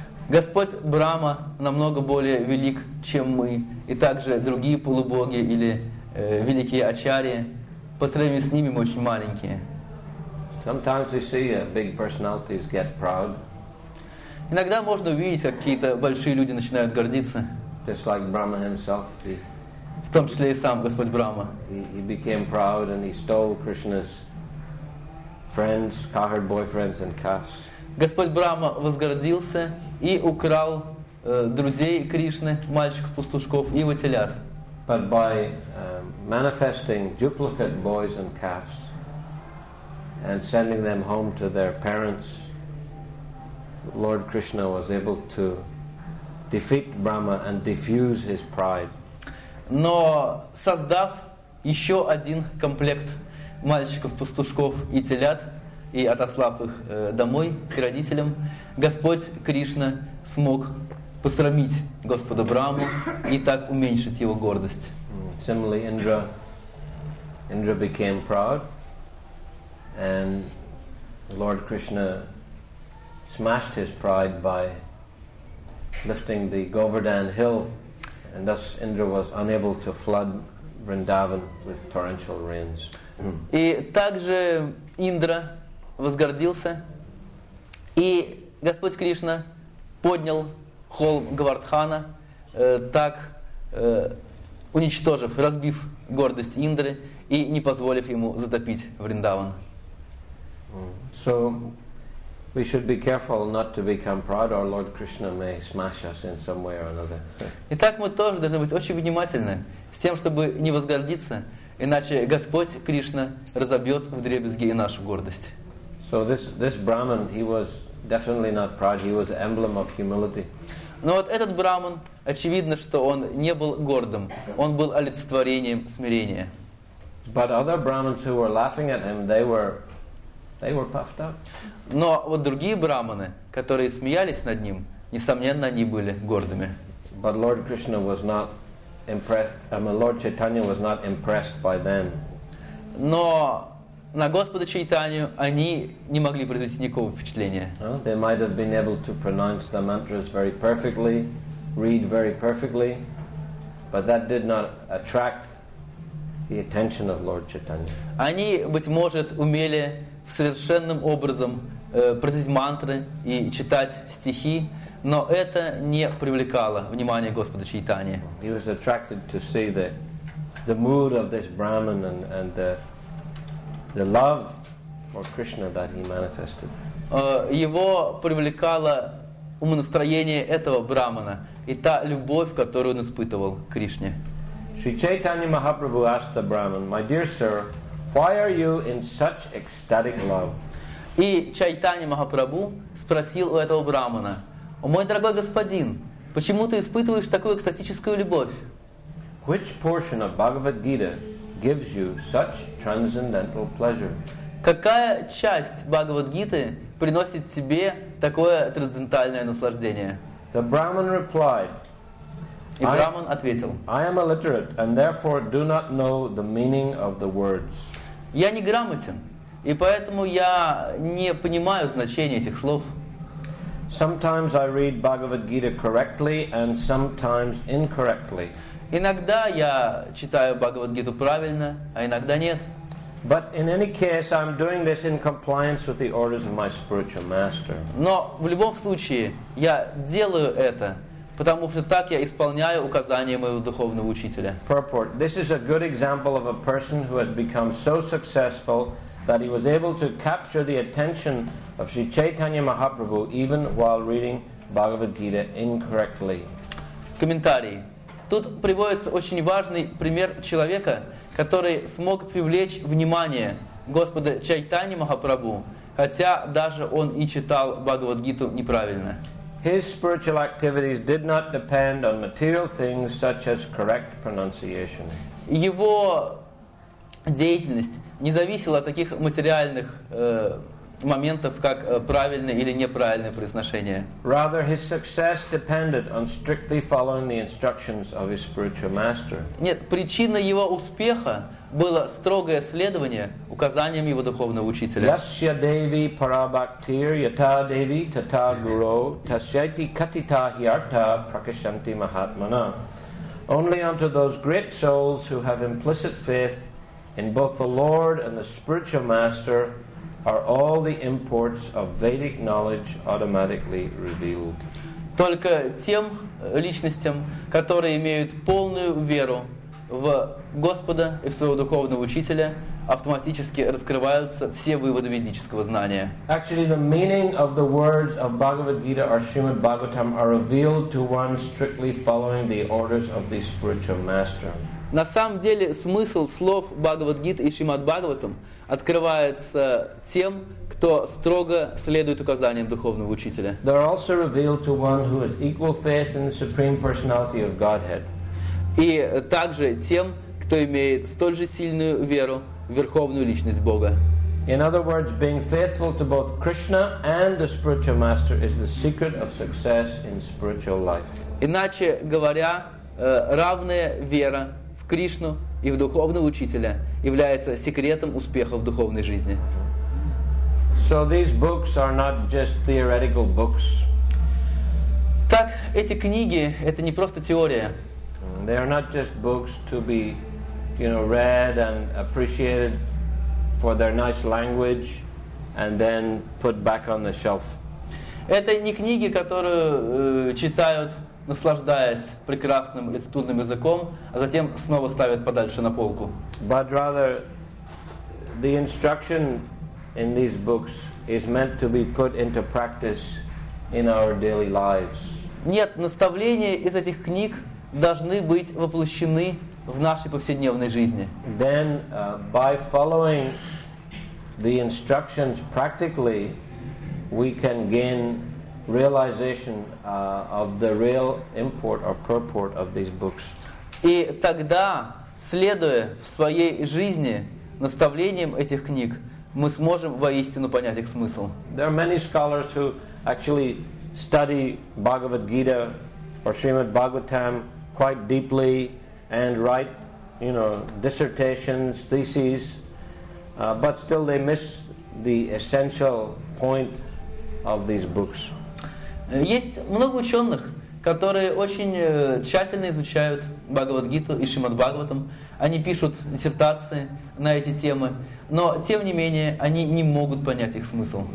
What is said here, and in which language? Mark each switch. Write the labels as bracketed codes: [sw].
[ru] Господь Брама намного более велик, чем мы, и также другие полубоги или великие ачарьи. По сравнению с ними мы очень маленькие. [en] Sometimes we see big personalities get proud. [ru] Иногда можно увидеть, как какие-то большие люди начинают гордиться. [en] Just like Brahma himself. [ru] В том числе и сам Господь Брама. [en] He became proud and he stole Krishna's friends, cowherd boyfriends and calves. [ru] Господь Брама возгордился и украл друзей Кришны, мальчиков-пастушков и его телят. [en] But by manifesting duplicate boys and calves and sending them home to their parents, Lord Krishna was able to defeat Brahma and diffuse his pride. [ru] Но создав еще один комплект мальчиков-пастушков и телят и отослав их домой к родителям, Господь Кришна смог посрамить Господа Брахму и так уменьшить его гордость. [en] Similarly, Indra became proud, and Lord Krishna smashed his pride by lifting the Govardhan hill, and thus Indra was unable to flood Vrindavan with torrential rains. [ru] И также Индра возгордился, и Господь Кришна поднял холм Говардхана, так уничтожив, разбив гордость Индры и не позволив ему затопить Вриндаван. [en] So we should be careful not to become proud, or Lord Krishna may smash us in some way or another. [ru] Итак, мы тоже должны быть очень внимательны с тем, чтобы не возгордиться, иначе Господь Кришна разобьет вдребезги и нашу гордость. [en] So this Brahman, he was definitely not proud. He was an emblem of humility. [ru] Но вот этот Браман, очевидно, что он не был гордым. Он был олицетворением смирения. [en] But other Brahmins who were laughing at him, they were puffed up. [ru] Но вот другие Браманы, которые смеялись над ним, несомненно, они были гордыми. [en] But Lord Krishna was not impressed. Lord Chaitanya was not impressed by them. [ru] Но на Господа Чайтанью они не могли произвести никакого впечатления. [en] They might have been able to pronounce the mantras very perfectly, read very perfectly, but that did not attract the attention of Lord Chaitanya. [ru] Они, быть может, умели совершенным образом произносить мантры и читать стихи, но это не привлекало внимание Господа Чайтанья. [en] He was attracted to see the mood of this Brahman and the love for Krishna that he manifested. [ru] Его привлекало умонастроение этого брамана и та любовь, которую он испытывал к Кришне. [en] Sri Chaitanya Mahaprabhu asked the Brahman, "My dear sir, why are you in such ecstatic love?" [ru] И Чайтанья Махапрабху спросил у этого брамана: "О мой дорогой господин, почему ты испытываешь такую экстатическую любовь?" [en] Which portion of Bhagavad Gita gives you such transcendental pleasure? [ru] Какая часть Бхагавад-гиты приносит тебе такое трансцендентальное наслаждение? [en] The Brahman replied. [ru] И Браман ответил: [en] I am illiterate and therefore do not know the meaning of the words. [ru] Я неграмотен, и поэтому я не понимаю значения этих слов. [en] Sometimes I read Bhagavad-гита correctly and sometimes incorrectly. [ru] Иногда я читаю Бхагавад-гиту правильно, а иногда нет. [en] But in any case, I'm doing this in compliance with the orders of my spiritual master. [ru] Но в любом случае я делаю это, потому что так я исполняю указания моего духовного учителя. [en] Purport. This is a good example of a person who has become so successful that he was able to capture the attention of Sri Chaitanya Mahaprabhu even while reading Bhagavad-гита incorrectly. [ru] Комментарий. Тут приводится очень важный пример человека, который смог привлечь внимание Господа Чайтани Махапрабху, хотя даже он и читал Бхагавад-гиту неправильно. [en] His spiritual activities did not depend on material things such as correct pronunciation. [ru] Его деятельность не зависела от таких материальных моментов, как правильное или неправильное произношение. [en] Rather, his success depended on strictly following the instructions of his spiritual master. [ru] Нет, причина его успеха было строгое следование указаниям его духовного учителя. [sa] Yasya devi parabhaktir yata devi tata guru tasyati katita hyarta prakashanti mahatmana. [en] Only unto those great souls who have implicit faith in both the Lord and the spiritual master are all the imports of Vedic knowledge automatically revealed. [ru] Только тем личностям, которые имеют полную веру в Господа и в своего духовного учителя, автоматически раскрываются все выводы ведического знания. [en] Actually, the meaning of the words of Bhagavad Gita or Srimad Bhagavatam are revealed to one strictly following the orders of the spiritual master. [ru] На самом деле, смысл слов Бхагавад-гиты и Шримад-Бхагаватам открывается тем, кто строго следует указаниям духовного учителя. [en] They are also revealed to one who has equal faith in the supreme personality of Godhead. [ru] И также тем, кто имеет столь же сильную веру в верховную личность Бога. [en] In other words, being faithful to both Krishna and the spiritual master is the secret of success in spiritual life. [ru] Иначе говоря, равная вера в Кришну и в духовного учителя является секретом успеха в духовной жизни. [en] So these books are not just theoretical books. [ru] Так, эти книги — это не просто теория. [en] They are not just books to be, you know, read and appreciated for their nice language and then put back on the shelf. [ru] Это не книги, которые читают, наслаждаясь прекрасным литературным языком, а затем снова ставят подальше на полку. [en] But rather, the instruction in these books is meant to be put into practice in our daily lives. [ru] Нет, наставления из этих книг должны быть воплощены в нашей повседневной жизни. [en] Then, by following the instructions practically, we can gain realization of the real import or purport of these books. [ru] И тогда, следуя в своей жизни наставлениям этих книг, мы сможем воистину понять их смысл. [en] There are many scholars who actually study Bhagavad Gita or Srimad Bhagavatam quite deeply and write, you know, dissertations, theses, but still they miss the essential point of these books. [ru] Есть много ученых, которые очень тщательно изучают Бхагавад-гиту и Шримад-Бхагаватам. Они пишут диссертации на эти темы, но тем не менее они не могут понять их смысл.